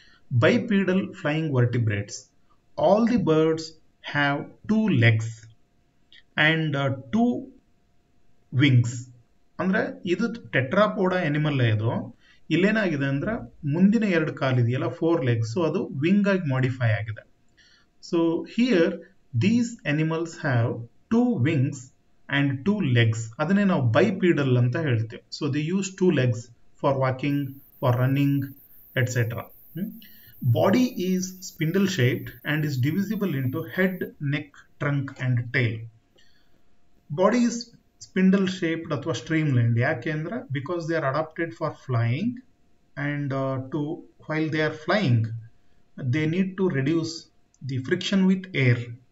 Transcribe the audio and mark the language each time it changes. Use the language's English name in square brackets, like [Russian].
[English] Bipedal flying vertebrates, all the birds have two legs and two wings. [Kannada] ಅಂದರೆ ಇದು ಟೆಟ್ರಾಪೋಡಾ animal ಇದು. ಇಲ್ಲೇನಾಗಿದೆ ಅಂದರೆ ಮುಂದಿನ ಎರಡು ಕಾಲಿದೆಯಲ್ಲ, ಫೋರ್ ಲೆಗ್ಸು, ಅದು ವಿಂಗ್ ಆಗಿ ಮಾಡಿಫೈ ಆಗಿದೆ. [English] So here these animals have two wings and two legs. [Kannada] ಅದನ್ನೇ ನಾವು ಬೈಪೀಡಲ್ ಅಂತ ಹೇಳ್ತೇವೆ. [English] So they use two legs for walking, for running, etcetera. Body is spindle shaped and is divisible into head, neck, trunk and tail. Body is spindle shaped ಅಥವಾ streamlined [Kannada] ಯಾಕೆ ಅಂದ್ರೆ [English] Because they are adapted for flying and to while they are flying they need to reduce the friction with air.